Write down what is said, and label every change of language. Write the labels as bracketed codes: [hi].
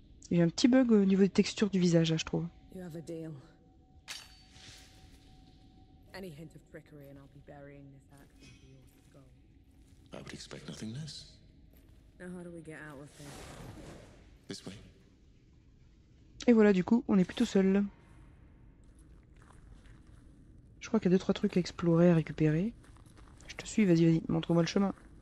[fr] Il y a un petit bug au niveau des textures du visage, là, je trouve. [en] You have a deal. Any hint of trickery and I'll be burying this axe into your skull. I would expect nothing less. Now how do we get out of here? This way. [fr] Et voilà, du coup, on est plutôt seul. Je crois qu'il y a 2-3 trucs à explorer, à récupérer. Je te suis, vas-y, montre-moi le chemin.